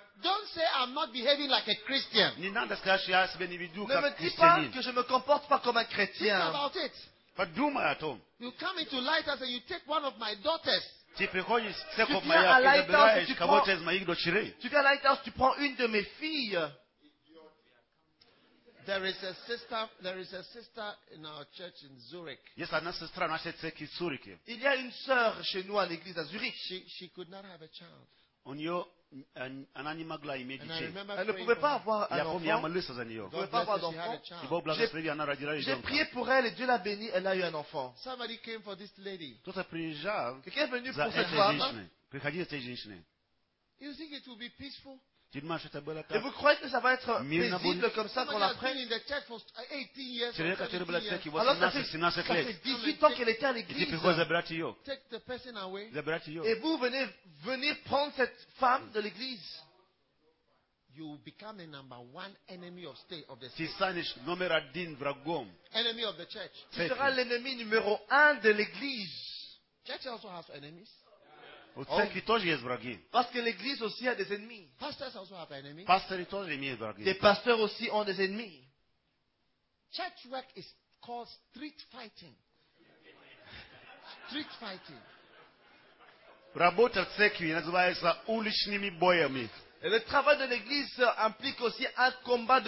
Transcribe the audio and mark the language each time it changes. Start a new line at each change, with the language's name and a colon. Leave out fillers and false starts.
English: Don't say I'm not behaving like a Christian.
Russian: Не надо сказать, что я себя не веду как христианин.
French: Ne me dis pas que je me comporte pas comme un chrétien.
English: Think about it.
Russian: Подумай о том.
English: You come into Lighthouse and you take one of my daughters.
Russian: Ты приходишь в церковь моя, ты забираешь кого-то из моих дочерей.
French: Tu viens à Lighthouse, tu prends une de mes filles.
English: There is a sister in our church in Zurich.
Russian: Есть одна сестра в нашей церкви в Цюрихе.
French: Il y a une sœur chez nous à l'église à Zurich.
English: She could not have a child.
Russian: У нее она не могла иметь детей.
French: Elle ne pouvait pas avoir un enfant.
Russian: Я молился за нее.
French: Elle ne pouvait pas avoir d'enfant.
Russian: Она родила ребенка.
French: J'ai prié pour elle et Dieu l'a bénie. Elle a eu un enfant.
English: Somebody came for this lady.
Russian: Кто-то приезжал.
French: Quelqu'un est venu pour cette femme.
Russian: Приходи за этой женщиной.
English: You think it will be peaceful?
French: Tu demandes que ça va être. Et vous croyez que ça va être paisible comme ça qu'on l'apprend?
English: Somebody has been in the church for 18 years.
French: Alors ça fait 18 ans qu'elle était à l'église. Et pourquoi
Russian: забрать ее?
English: Take the person away.
Russian: Забрать ее.
French: Et vous venez prendre cette femme de l'église.
English: You will become the number one enemy of state of the
Russian: church. Tu станешь номер один врагом.
English: Enemy of the church.
French: Tu seras l'ennemi numéro un de l'église.
English: Church also has enemies.
Russian: У церкви тоже есть враги.
French: Parce que l'église aussi a des ennemis.
English: Pastors also have enemies.
Russian: Пастыри тоже имеют враги.
French: Les pasteurs aussi ont des ennemis.
English: Church work is called street fighting. Street fighting.
Russian: Работа в церкви называется уличными боями.
French: Et le travail de l'église implique aussi un combat de